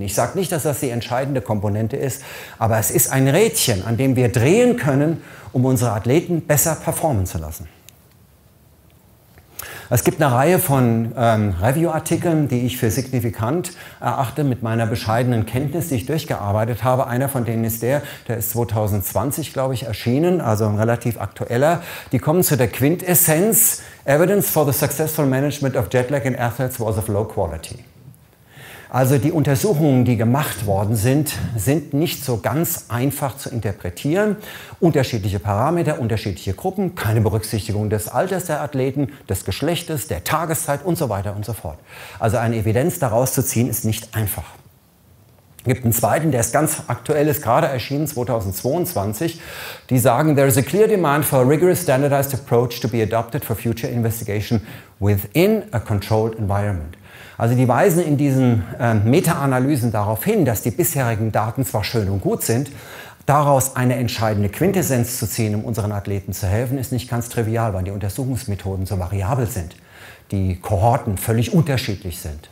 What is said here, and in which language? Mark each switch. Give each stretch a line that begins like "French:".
German: Ich sage nicht, dass das die entscheidende Komponente ist, aber es ist ein Rädchen, an dem wir drehen können, um unsere Athleten besser performen zu lassen. Es gibt eine Reihe von Review-Artikeln, die ich für signifikant erachte, mit meiner bescheidenen Kenntnis, die ich durchgearbeitet habe. Einer von denen ist der, der ist 2020, glaube ich, erschienen, also ein relativ aktueller. Die kommen zu der Quintessenz:
English: Evidence for the successful management of jetlag in athletes was of low quality.
German: Also die Untersuchungen, die gemacht worden sind, sind nicht so ganz einfach zu interpretieren. Unterschiedliche Parameter, unterschiedliche Gruppen, keine Berücksichtigung des Alters der Athleten, des Geschlechtes, der Tageszeit und so weiter und so fort. Also eine Evidenz daraus zu ziehen, ist nicht einfach. Es gibt einen zweiten, der ist ganz aktuell, ist gerade erschienen, 2022. Die sagen,
English: there is a clear demand for a rigorous standardized approach to be adopted for future investigation within a controlled environment.
German: Also die weisen in diesen Meta-Analysen darauf hin, dass die bisherigen Daten zwar schön und gut sind, daraus eine entscheidende Quintessenz zu ziehen, um unseren Athleten zu helfen, ist nicht ganz trivial, weil die Untersuchungsmethoden so variabel sind, die Kohorten völlig unterschiedlich sind.